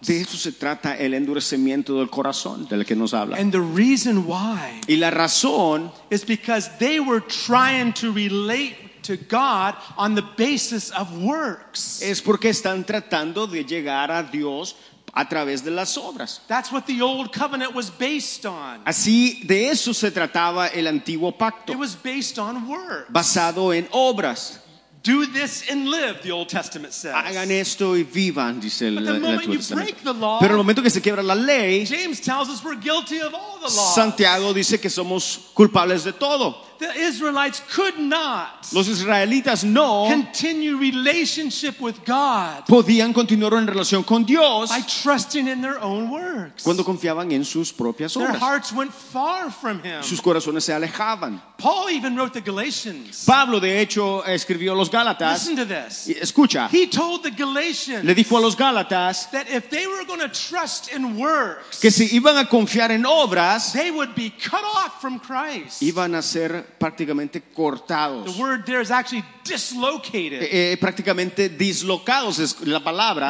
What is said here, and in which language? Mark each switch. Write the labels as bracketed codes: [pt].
[es] De eso se trata el endurecimiento del corazón del que nos habla. [en] And the reason why. [es] Y la razón [en] is because they were trying to relate to God on the basis of works. [es] Es porque están tratando de llegar a Dios a través de las obras. [en] That's what the old covenant was based on. [es] Así de eso se trataba el antiguo pacto. [en] It was based on works. [es] Basado en obras. [en] Do this and live, the Old Testament says. [es] Hagan esto y vivan, dice el Antiguo Testamento. [en] But the moment you break the law, [es] pero el momento que se quiebra la ley, [en] James tells us we're guilty of all the laws. [es] Santiago dice que somos culpables de todo. [en] The Israelites could not. [es] Los israelitas no. [en] Continue relationship with God. [es] Podían continuar en relación con Dios. [en] By trusting in their own works. [es] Cuando confiaban en sus propias obras. [en] Their hearts went far from Him. [es] Sus corazones se alejaban. [en] Paul even wrote the Galatians. [es] Pablo de hecho escribió los Gálatas. [en] Listen to this. [es] Escucha. [en] He told the Galatians. [es] Le dijo a los Gálatas [en] that if they were going to trust in works, [es] que si iban a confiar en obras, [en] they would be cut off from Christ. [es] Iban a ser prácticamente cortados. [en] The word there is actually dislocated. [es] Prácticamente dislocados es la palabra.